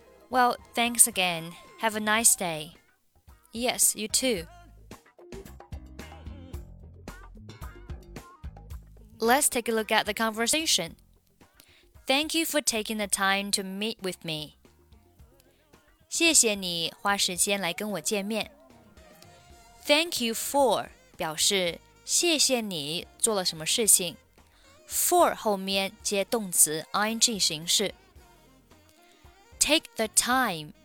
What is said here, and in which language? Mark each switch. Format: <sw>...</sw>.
<en>Well, thanks again. Have a nice day. Yes, you too. Let's take a look at the conversation. Thank you for taking the time to meet with me.</en> <zh>谢谢你花时间来跟我见面。</zh> <en>Thank you for</en> <zh>表示谢谢你做了什么事情。 For 后面接动词 ing 形式</zh> <en>Take the time</en>